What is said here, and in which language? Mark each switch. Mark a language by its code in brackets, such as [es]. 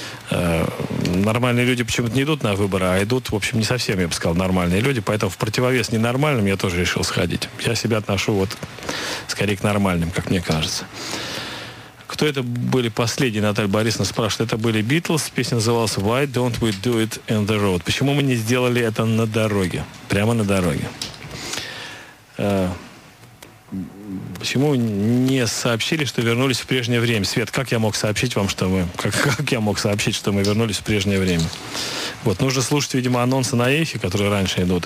[ru] Нормальные люди почему-то не идут на выборы, а идут, в общем, не совсем, я бы сказал, нормальные люди. Поэтому в противовес ненормальным я тоже решил сходить. Я себя отношу вот скорее к нормальным, как мне кажется. Кто это были последние? Наталья Борисовна спрашивает. Это были Beatles. Песня называлась [en] «Why don't we do it in the road?» [ru] Почему мы не сделали это на дороге? Прямо на дороге. Почему не сообщили, что вернулись в прежнее время? Свет, как я мог сообщить вам, что мы... Как я мог сообщить, что мы вернулись в прежнее время? Вот, нужно слушать, видимо, анонсы на эхе, которые раньше идут.